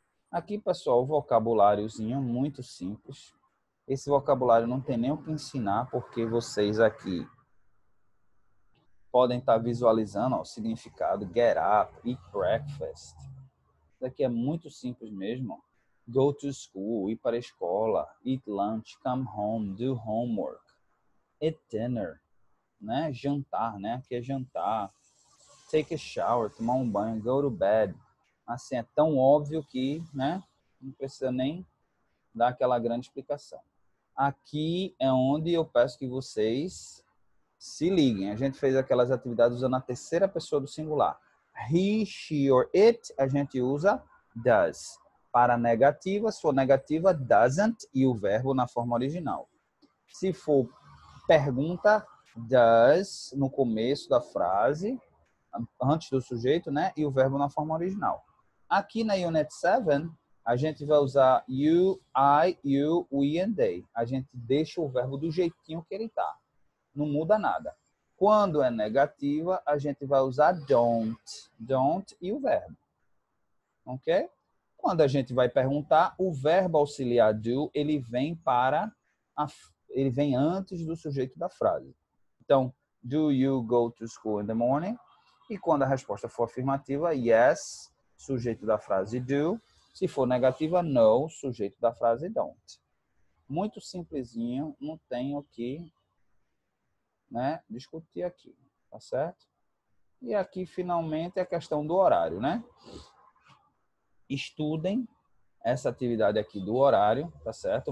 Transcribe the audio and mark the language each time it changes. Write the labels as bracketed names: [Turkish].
[Portuguese] Aqui, pessoal, o vocabuláriozinho muito simples. Esse vocabulário não tem nem o que ensinar, porque vocês aqui podem estar visualizando, ó, o significado: [English] get up, eat breakfast, [Portuguese] isso daqui é muito simples mesmo. [English] Go to school, [Portuguese] ir para a escola, [English] eat lunch, come home, do homework, eat dinner, né? [Portuguese] Jantar, né? Aqui é jantar. [English] Take a shower, [Portuguese] tomar um banho, [English] go to bed. [Portuguese] Assim, é tão óbvio que, né? Não precisa nem dar aquela grande explicação. Aqui é onde eu peço que vocês se liguem. A gente fez aquelas atividades usando a terceira pessoa do singular. [English] He, she or it, [Portuguese] a gente usa does. Para negativa, se for negativa, doesn't e o verbo na forma original. Se for pergunta, does no começo da frase, antes do sujeito, né? E o verbo na forma original. Aqui na Unit 7, a gente vai usar [English] you, I, you, we and they. [Portuguese] A gente deixa o verbo do jeitinho que ele tá. Não muda nada. Quando é negativa, a gente vai usar don't. Don't e o verbo. Ok? Quando a gente vai perguntar, o verbo auxiliar do, ele vem para a, ele vem antes do sujeito da frase. [English] Então, do you go to school in the morning? [Portuguese] E quando a resposta for afirmativa, yes, sujeito da frase do. Se for negativa, no, sujeito da frase don't. Muito simplesinho, não tenho o que, né, discutir aqui, tá certo? E aqui, finalmente, a questão do horário, né? Estudem essa atividade aqui do horário, tá certo?